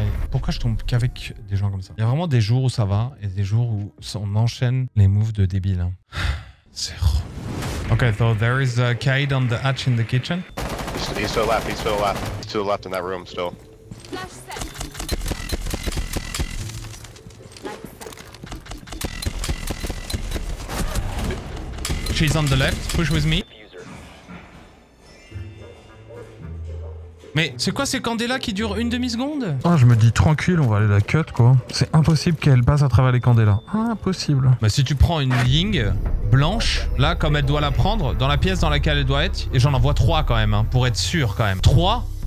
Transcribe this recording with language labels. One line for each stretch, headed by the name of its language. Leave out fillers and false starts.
French: Pourquoi je tombe qu'avec des gens comme ça? Il y a vraiment des jours où ça va et des jours où on enchaîne les moves de débile. C'est rou.
English: Ok, so there is a Kaid on the hatch in the kitchen. He's to the left, he's to the left. He's to the left in that room still. She's on the left, push with me.
French: Mais c'est quoi ces candélas qui durent une demi-seconde? Oh, je me dis tranquille, on va aller la cut, quoi. C'est impossible qu'elle passe à travers les candélas. Impossible. Mais si tu prends une ying blanche, là, comme elle doit la prendre, dans la pièce dans laquelle elle doit être, et j'en envoie trois quand même, hein, pour être sûr quand même. Trois?